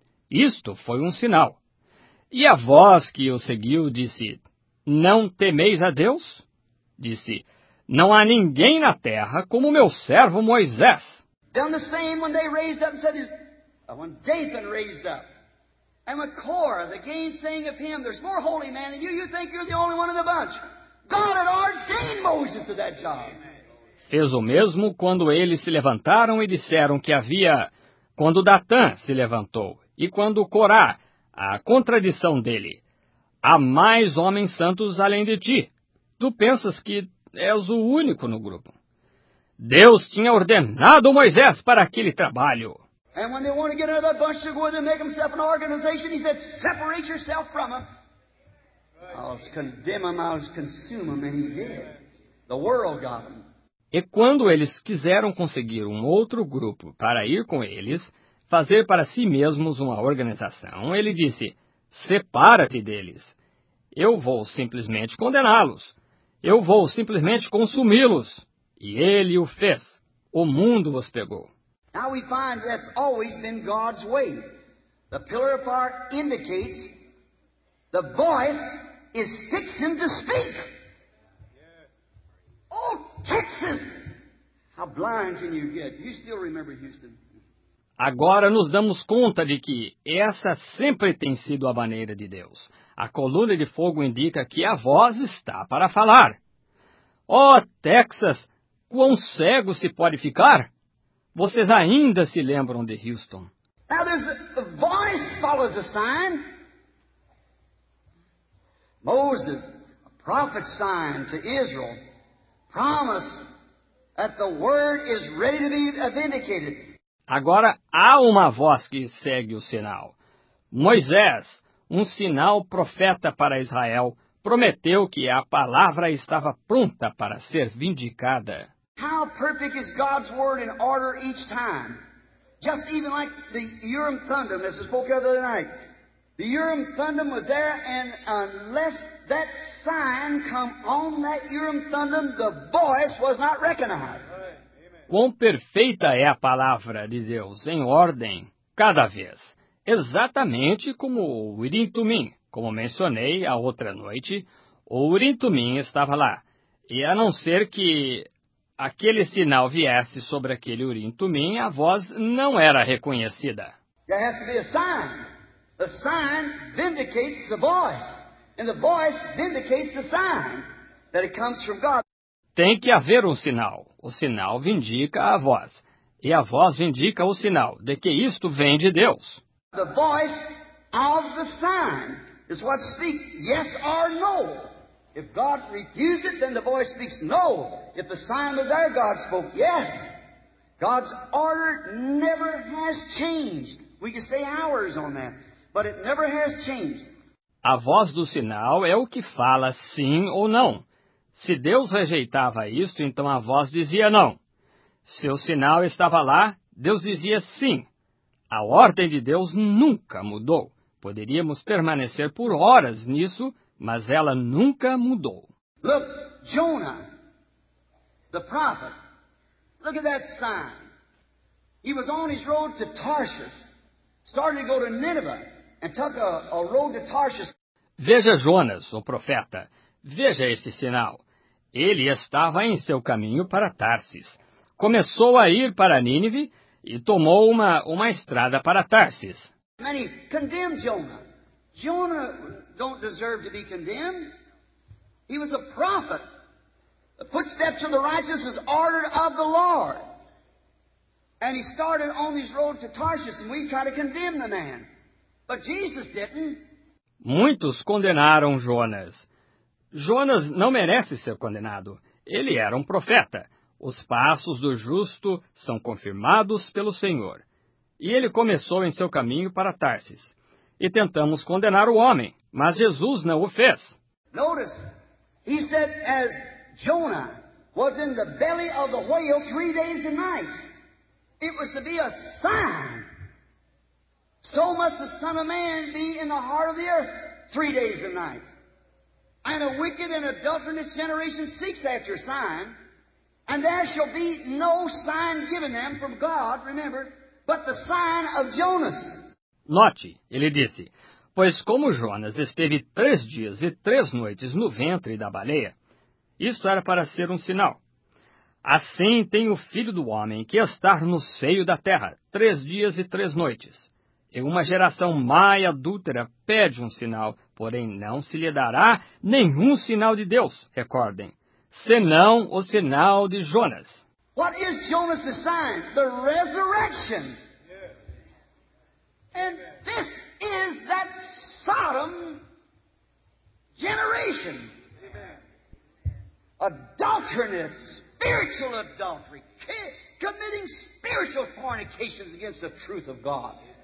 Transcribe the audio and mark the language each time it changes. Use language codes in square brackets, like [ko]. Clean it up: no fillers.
[pt] Isto foi um sinal. E a voz que o seguiu disse, "Não temeis a Deus?" Disse, "Não há ninguém na terra como meu servo Moisés." [en] Then the same when they raised up and said, when Dathan raised up, and when Korah, the gainsaying of him, there's more holy man than you, you think you're the only one in the bunch. God had ordained Moses to that job. [pt] Fez o mesmo quando eles se levantaram e disseram que havia, quando Datã se levantou. E quando Corá, a contradição dele, há mais homens santos além de ti. Tu pensas que és o único no grupo. Deus tinha ordenado Moisés para aquele trabalho. [en] And when they want to get another bunch to go with and make himself an organization, he said, "Separate yourself from them. I'll condemn them, I'll consume them," and he did. The world got them. [pt] E quando eles quiseram conseguir um outro grupo para ir com eles, fazer para si mesmos uma organização, ele disse, "Separa-te deles. Eu vou simplesmente condená-los. Eu vou simplesmente consumi-los." E ele o fez. O mundo os pegou. [en] Now we find that's always been God's way. The pillar of fire indicates the voice is fixing to speak. Oh, Texas! How blind can you get? You still remember Houston? [pt] Agora nos damos conta de que essa sempre tem sido a maneira de Deus. A coluna de fogo indica que a voz está para falar. Oh, Texas, quão cego se pode ficar? Vocês ainda se lembram de Houston? [en] Now there's a voice follows a sign. Moses, a prophet sign to Israel, promise that the word is ready to be vindicated. [pt] Agora, há uma voz que segue o sinal. Moisés, um sinal profeta para Israel, prometeu que a palavra estava pronta para ser vindicada. [en] How perfect is God's word in order each time? Just even like the Urim Thummim, as I spoke of the other night. The Urim Thummim was there, and unless that sign come on that Urim Thummim, the voice was not recognized. [pt] Quão perfeita é a palavra de Deus em ordem, cada vez. Exatamente como o Urim Thummim, como mencionei a outra noite, o Urim Thummim estava lá. E a não ser que aquele sinal viesse sobre aquele Urim Thummim, a voz não era reconhecida. [en] There has to be a sign. The sign vindicates the voice. And the voice vindicates the sign that it comes from God. [pt] Tem que haver um sinal. O sinal vindica a voz. E a voz vindica o sinal de que isto vem de Deus. [en] The voice of the sign is what speaks yes or no. If God refused it, then the voice speaks no. If the sign was there, God spoke yes. God's order never has changed. We can stay hours on that, but it never has changed. [pt] A voz do sinal é o que fala sim ou não. Se Deus rejeitava isto, então a voz dizia não. Se o sinal estava lá, Deus dizia sim. A ordem de Deus nunca mudou. Poderíamos permanecer por horas nisso, mas ela nunca mudou. [en] Look, Jonah, the prophet. Look at that sign. He was on his road to Tarshish, starting to go to Nineveh, and took a road to Tarshish. [pt] Veja Jonas, o profeta. Veja esse sinal. Ele estava em seu caminho para Tarsis. Começou a ir para Nínive e tomou uma estrada para Tarsis. [en] Many condemned Jonah. Jonah don't deserve to be condemned. He was a prophet. The footsteps of the righteous is ordered of the Lord. And he started on his road to Tarshish, and we try to condemn the man. But Jesus didn't. [pt] Muitos condenaram Jonas. Jonas não merece ser condenado. Ele era um profeta. Os passos do justo são confirmados pelo Senhor. E ele começou em seu caminho para Tarsis. E tentamos condenar o homem, mas Jesus não o fez. [en] Notice, he said as Jonah was in the belly of the whale 3 days and nights, it was to be a sign. So must the Son of Man be in the heart of the earth 3 days and nights. And a wicked and adulterous generation seeks after a sign, and there shall be no sign given them from God, remember, but the sign of Jonas. [pt] Note, ele disse, pois como Jonas esteve 3 dias e 3 noites no ventre da baleia, isto era para ser um sinal. Assim tem o Filho do Homem que está no seio da terra 3 dias e 3 noites. E uma geração má e adúltera pede um sinal, porém não se lhe dará nenhum sinal de Deus, recordem, senão o sinal de Jonas. [en] What is Jonas' sign? The resurrection. And this is that Sodom generation. Adulterous, spiritual adultery, committing spiritual fornications against the truth of God.